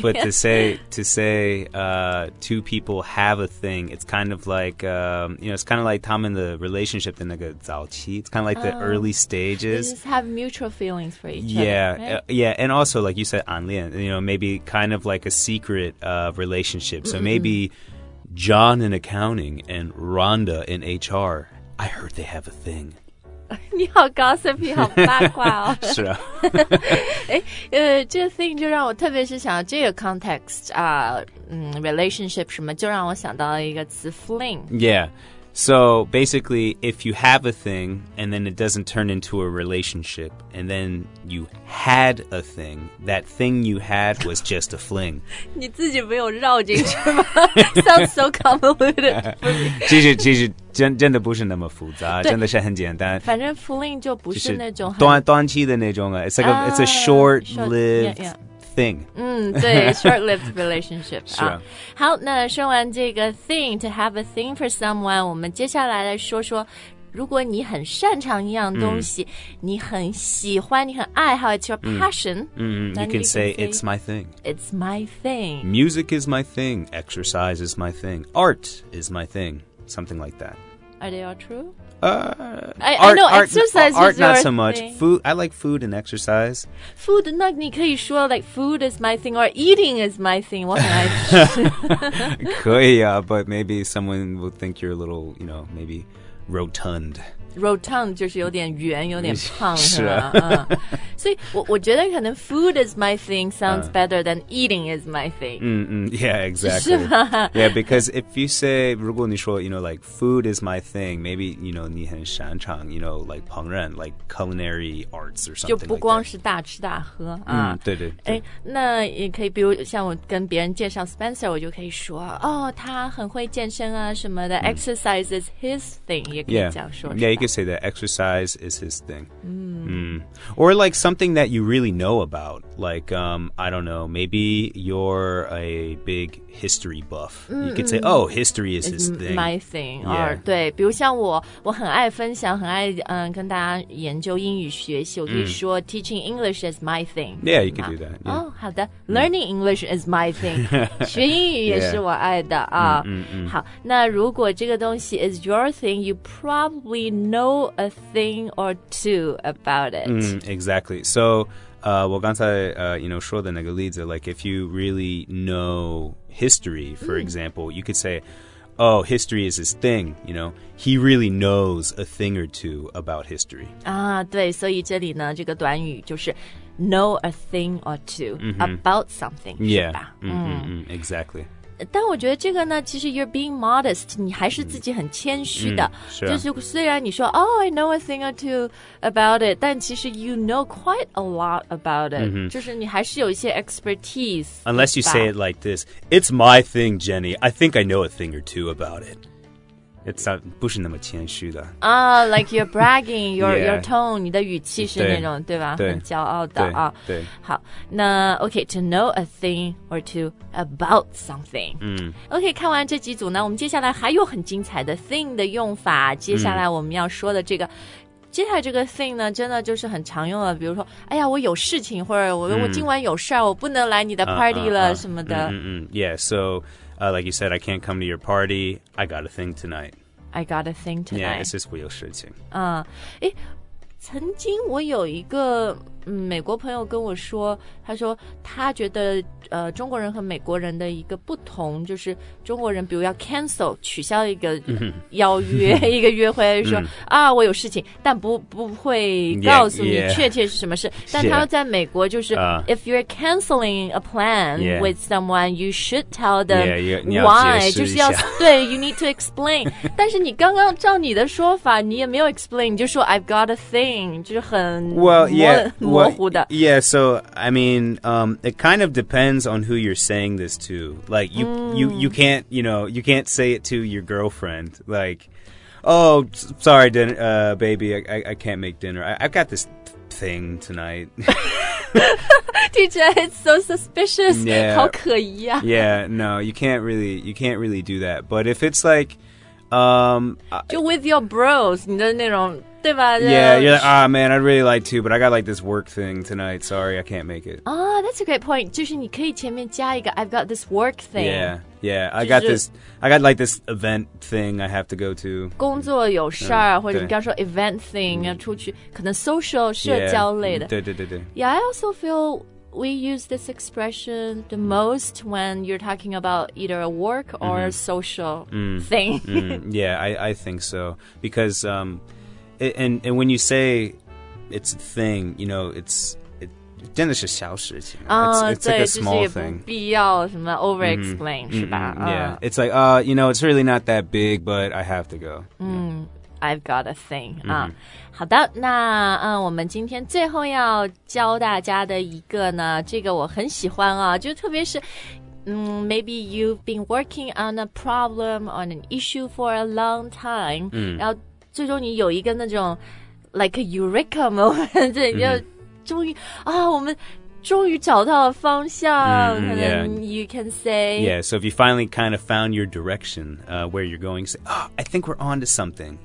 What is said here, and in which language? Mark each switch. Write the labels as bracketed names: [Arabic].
[English] But to say, two people have a thing, it's kind of like, it's kind of like [Chinese] 他们的 relationship 的那个早期 [English] It's kind of like the early stages. They just have mutual feelings for each other, and also, like you said, 暗恋 you know, maybe kind of like a secret of relationship. So maybe John in accounting and Rhonda in HR, I heard they have a thing. [Chinese] 你好 gossipy 好八卦哦是啊这个 thing 就让我特别是想到这个 context 啊、relationship 什么就让我想到了一个词 fling [English] yeah so basically if you have a thing and then it doesn't turn into a relationship and then you had a thing that thing you had was just a fling [Chinese] 你自己没有绕进去吗 [English] sounds so convoluted [Chinese] 继续真的不是那么复杂真的是很简单反正 fling 就不是那种短期的那种 [English] it's like it's a short-lived thing [Chinese] 对 short-lived relationship 好那说完这个 [English] thing to have a thing for someone [Chinese] 我们接下来来说说如果你很擅长一样东西你很喜欢你很爱好 [English] it's your passion you can say it's my thing it's my thing music is my thing exercise is my thing art is my thingSomething like that. Are they all true? Exercise art, is not so much. Food, I like food and exercise. Food, [Chinese] 那你可以说 [English] like food is my thing or eating is my thing. [Chinese] 我很爱吃。可以啊, [English] but maybe someone will think you're a little, maybe rotund. [Chinese] Rotund 就是有点圆有点胖是吧、啊、所以我觉得可能 [English] food is my thing sounds better than eating is my thing. Yeah, exactly. [Chinese] 是吗 [English] Yeah, because if you say, [Chinese] 如果你说 [English] you know, like food is my thing, maybe, you know, [Chinese] 你很擅长 [English] you know, like 烹饪 like culinary arts or something [Chinese] 就不光是大吃大喝、 [English] like 啊、 [Chinese] 对对对那也可以比如像我跟别人介绍 Spencer, 我就可以说哦他很会健身啊什么的、 [English] exercise is his thing, [Chinese] 也可以这样说 [English] yeah, yeah, you could say that exercise is his thing. Or like something that you really know about. Like, I don't know, maybe you're a big history buff. You could say, oh, history is his thing. My thing. Yeah. [Chinese] 对比如像我我很爱分享很爱、跟大家研究英语学习我可以说、 [English] teaching English is my thing. Yeah, you could do that. Yeah. Oh, [Chinese] 好的 [English] Learning English is my thing. [Chinese] 学英语也是我爱的、好那如果这个东西 [English] is your thing, you probably know a thing or two about it. Exactly. So, [Chinese] 我刚才、 [English] you know, 说的那个例子 like if you really know history, for example, you could say, oh, history is his thing, you know. He really knows a thing or two about history. [Chinese] 啊、对所以这里呢这个短语就是 [English] know a thing or two about something, yeah. [Chinese] 是吧、 [English] Exactly. [Chinese] 但我觉得这个呢其实 [English] you're being modest [Chinese] 你还是自己很谦虚的、是就是虽然你说 [English] Oh, I know a thing or two about it [Chinese] 但其实 [English] you know quite a lot about it、 [Chinese] 就是你还是有一些 expertise [English] Unless you say it like this It's my thing, Jenny I think I know a thing or two about it It's not [Chinese] 不是那么谦虚的 [English] Like you're bragging your, 、 yeah. your tone [Chinese] 你的语气是那种对吧很骄傲的对、对好那 OK [English] To know a thing or two about something、 [Chinese] OK 看完这几组呢我们接下来还有很精彩的 thing 的用法接下来我们要说的这个、接下来这个 thing 呢真的就是很常用的比如说哎呀我有事情或者 我今晚有事我不能来你的 party 了什么的 [English] Yeah soLike you said, I can't come to your party. I got a thing tonight. I got a thing tonight. Yeah, it's just [Chinese] 我有事情。诶，曾经我有一个、美国朋友跟我说，他说他觉得、中国人和美国人的一个不同，就是中国人比如要 cancel 取消一个、邀约一个约会，说、啊我有事情，但不会告诉你确切是什么事。 [English] Yeah, yeah. [Chinese] 但他在美国就是、 [English] if you're canceling a plan、with someone, you should tell them why， [Chinese] 就是要对 [English] you need to explain 。 [Chinese] 但是你刚刚照你的说法，你也没有 explain， 你就说 [English] I've got a thing， [Chinese] 就是很 [English] well yeah。 Well, yeah, so, I mean,、it kind of depends on who you're saying this to. Like, you,、you can't, you know, you can't say it to your girlfriend. Like, oh, sorry, baby, I can't make dinner. I've got this thing tonight. DJ, it's so suspicious. Yeah. [Chinese] 好可疑啊 [English] Yeah, no, you can't really do that. But if it's like...、 [Chinese] 就 [English] with your bros, [Chinese] 你的那种对吧 [English] yeah, you're like, ah, man, I'd really like to, but I got, like, this work thing tonight. Sorry, I can't make it. Oh, that's a great point. [Chinese] 就是你可以前面加一个 [English] I've got this work thing. Yeah, yeah, I got this, I got, like, this event thing I have to go to. [Chinese] 工作有事儿、或者你刚说 event thing, 要出去可能 social, 社交类的。对对对对。 [English] Yeah, I also feel... We use this expression the most when you're talking about either a work or a social thing. Yeah, I think so. Because, and when you say it's a thing, you know, it [Chinese] 真的是小事情 [English] it's like a small thing. [Chinese] 不必要什么 over-explain, 是吧 [English] Yeah, it's like, you know, it's really not that big, but I have to go. I've got a thing. [Chinese] 好的那、我们今天最后要教大家的一个呢这个我很喜欢啊就特别是 [English] maybe you've been working on a problem, on an issue for a long time,、 [Chinese] 然后最终你有一个那种 [English] like a eureka moment, [Chinese] 对你就终于啊我们终于找到了方向 [English] you can say. Yeah, so if you finally kind of found your direction,、where you're going, say,、I think we're on to something.